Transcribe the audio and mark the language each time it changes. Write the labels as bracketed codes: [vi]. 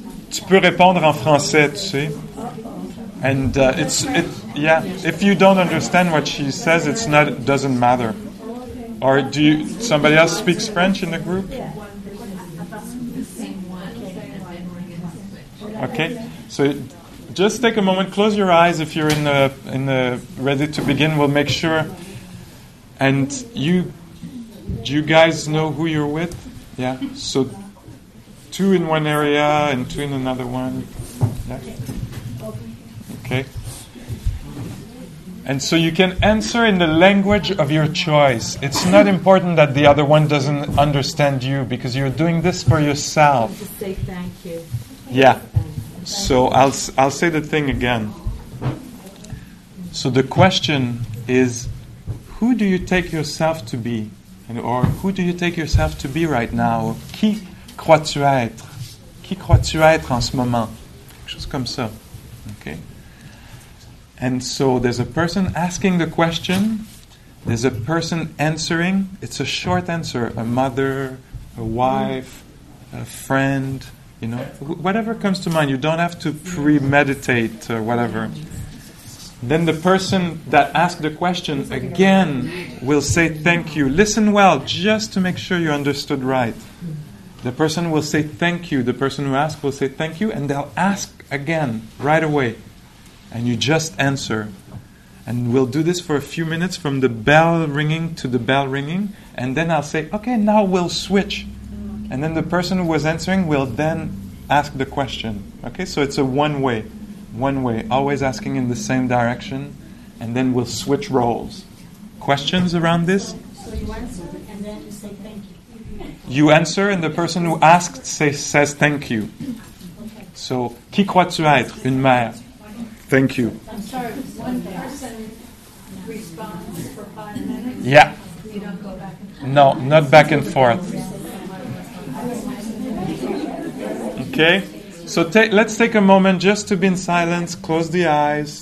[fr] Tu peux répondre en français, tu sais. [en] And yeah, if you don't understand what she says, doesn't matter. Or somebody else speaks French in the group? Okay, so just take a moment, close your eyes if you're in the ready to begin, we'll make sure. And do you guys know who you're with? Yeah, so two in one area and two in another one. Yeah. Okay. And so you can answer in the language of your choice. It's not important that the other one doesn't understand you because you're doing this for yourself. Just say thank you. Yeah. So I'll say the thing again. So the question is, who do you take yourself to be? Or who do you take yourself to be right now? [fr] Qui crois-tu être? Qui crois-tu être en ce moment? [en] Just [fr] comme ça. [en] Okay. And so there's a person asking the question. There's a person answering. It's a short answer. A mother, a wife, a friend. You know, whatever comes to mind, you don't have to premeditate or whatever. Then the person that asked the question again will say thank you. Listen well, just to make sure you understood right. The person will say thank you. The person who asked will say thank you, and they'll ask again right away. And you just answer. And we'll do this for a few minutes, from the bell ringing to the bell ringing, and then I'll say, okay, now we'll switch. And then the person who was answering will then ask the question. Okay, so it's a one way, always asking in the same direction, and then we'll switch roles. Questions around this? So you answer, and then you say thank you. You answer, and the person who asked says thank you. So, [fr] qui crois-tu être, une mère? [en] Thank you. I'm sorry, one person responds for 5 minutes. Yeah. You don't go back and forth. No, not back and forth. Okay. So let's take a moment just to be in silence, close the eyes.